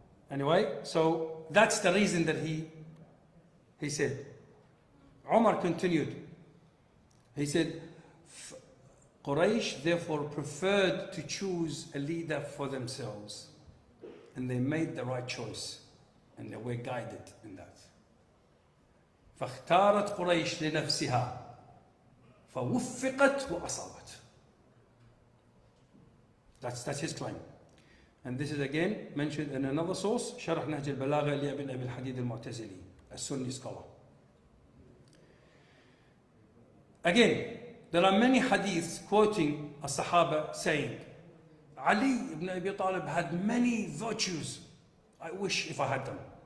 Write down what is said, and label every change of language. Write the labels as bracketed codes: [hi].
[en] Anyway, so that's the reason that he said. Umar continued. He said, Quraysh therefore preferred to choose a leader for themselves, and they made the right choice, and they were guided in that. [ar] فاختارت قريش لنفسها فوفقت وأصابت. [en] That's his claim. And this is again mentioned in another source, شرح نهج البلاغة لابن أبي الحديد المعتزلي, a Sunni scholar. Again, there are many hadiths quoting a Sahaba saying, Ali ibn Abi Talib had many virtues. I wish if I had them.